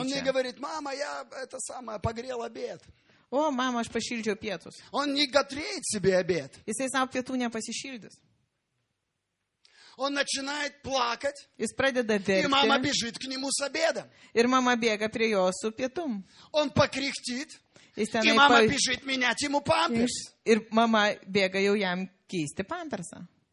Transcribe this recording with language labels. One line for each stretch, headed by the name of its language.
Russian: Он не говорит, мама, я это самое, погрел обед. О, мама,
Lithuanian: aš pašildžiau pietus.
Russian: Он не готреет себе обед.
Lithuanian: Jisai savo pietų nepasišildys.
Russian: Он начинает плакать.
Lithuanian: Jis pradeda verkti.
Russian: И мама бежит к нему с обедом.
Lithuanian: Ir mama bėga prie jo su pietum.
Russian: Он покряхтит.
Lithuanian: Jis tenai
Russian: и мама бежит менять ему памперс.
Lithuanian: Ir mama bėga jau jam keisti pampersą.